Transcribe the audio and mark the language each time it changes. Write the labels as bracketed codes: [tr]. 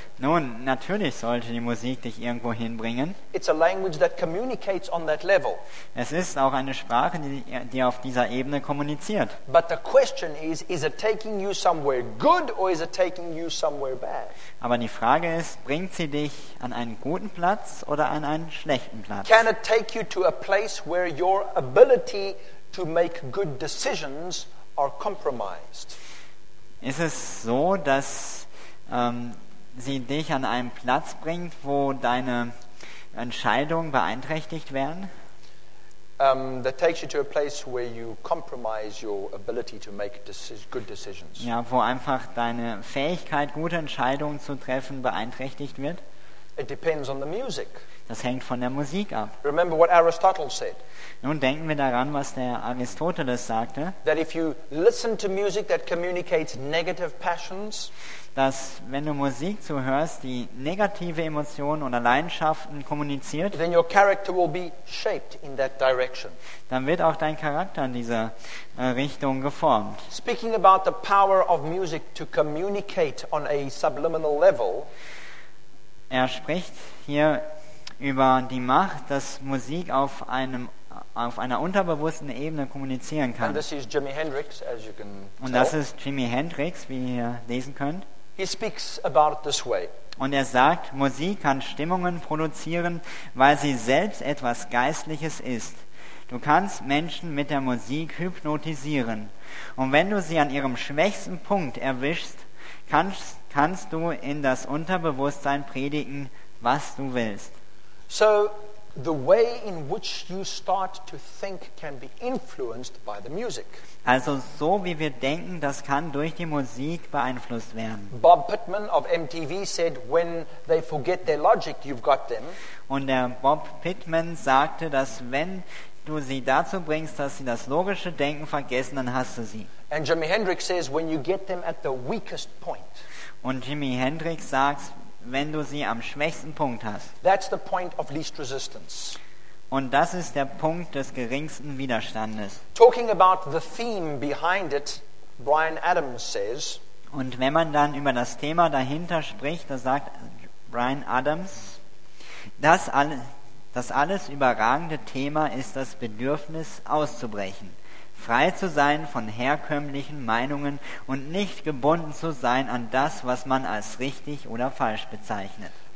[de] Nun, natürlich sollte die Musik dich irgendwo hinbringen. [en] It's a language that communicates on that level. [de] Es ist auch eine Sprache, die auf dieser Ebene kommuniziert. [en] But the question is it taking you somewhere good or is it taking you somewhere bad? [de] Aber die Frage ist, bringt sie dich an einen guten Platz oder an einen schlechten Platz? [en] Can it take you to a place where your ability to make good decisions are compromised? [de] Ist es so, dass sie dich an einen Platz bringt, wo deine Entscheidungen beeinträchtigt werden? [en] That takes you to a place where you compromise your ability to make good decisions. [de] Ja, wo einfach deine Fähigkeit, gute Entscheidungen zu treffen, beeinträchtigt wird. [en] It depends on the music. [de] Das hängt von der Musik ab. [en] Remember what Aristotle said. [de] Nun denken wir daran, was der Aristoteles sagte. [en] That if you listen to music that communicates negative passions, [de] dass wenn du Musik zuhörst, die negative Emotionen oder Leidenschaften kommuniziert, [en] then your character will be shaped in that direction. [de] Dann wird auch dein Charakter in dieser Richtung geformt. [en] Speaking about the power of music to communicate on a subliminal level, [de] er spricht hier über die Macht, dass Musik auf einer unterbewussten Ebene kommunizieren kann. [en] And this is Jimi Hendrix, as you can tell. [de] Und das ist Jimi Hendrix, wie ihr lesen könnt. [en] He speaks about it this way. [de] Und er sagt, Musik kann Stimmungen produzieren, weil sie selbst etwas Geistliches ist. Du kannst Menschen mit der Musik hypnotisieren. Und wenn du sie an ihrem schwächsten Punkt erwischst, kannst du in das Unterbewusstsein predigen, was du willst. [en] So, the way in which you start to think can be influenced by the music. [de] Also so wie wir denken, das kann durch die Musik beeinflusst werden. [en] Bob Pittman of MTV said, when they forget their logic, you've got them. [de] Und der Bob Pittman sagte, dass wenn du sie dazu bringst, dass sie das logische Denken vergessen, dann hast du sie. [en] And Jimi Hendrix says, when you get them at the weakest point. [de] Und Jimi Hendrix sagt, wenn du sie am schwächsten Punkt hast. [en] That's the point of least resistance. [de] Und das ist der Punkt des geringsten Widerstandes. [en] Talking about the theme behind it, Bryan Adams says, [de] und wenn man dann über das Thema dahinter spricht, da sagt Bryan Adams, das alles überragende Thema ist das Bedürfnis auszubrechen, frei zu sein von herkömmlichen Meinungen und nicht gebunden zu sein an das, was man als richtig oder falsch bezeichnet.